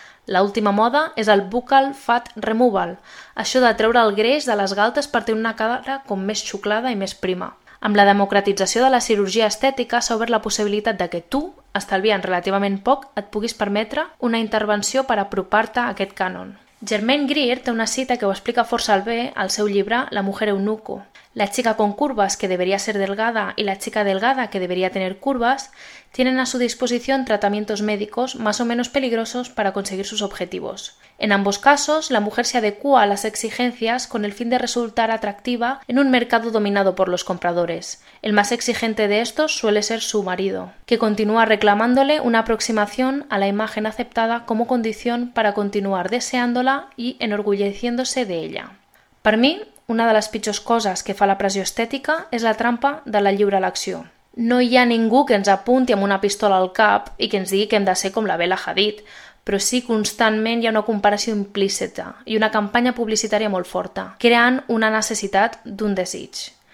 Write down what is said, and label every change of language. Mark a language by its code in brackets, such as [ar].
[ca] L'última moda és el Buccal Fat Removal, això de treure el greix de les galtes per tenir una cara com més xuclada i més prima. Amb la democratització de la cirurgia estètica s'ha obert la possibilitat de que tu, estalviant relativament poc, et puguis permetre una intervenció per apropar-te a aquest cànon. Germaine Greer té una cita que ho explica força bé al seu llibre La mujer eunuco. [es] La chica con curvas, que debería ser delgada, y la chica delgada, que debería tener curvas, tienen a su disposición tratamientos médicos más o menos peligrosos para conseguir sus objetivos. En ambos casos, la mujer se adecúa a las exigencias con el fin de resultar atractiva en un mercado dominado por los compradores. El más exigente de estos suele ser su marido, que continúa reclamándole una aproximación a la imagen aceptada como condición para continuar deseándola y enorgulleciéndose de ella. Para mí, [ca] una de les pitjors coses que fa la pressió estètica és la trampa de la lliure elecció. No hi ha ningú que ens apunti amb una pistola al cap i que ens digui que hem de ser com la Bella Hadid, però sí constantment hi ha una comparació implícita i una campanya publicitària molt forta, creant una necessitat d'un desig.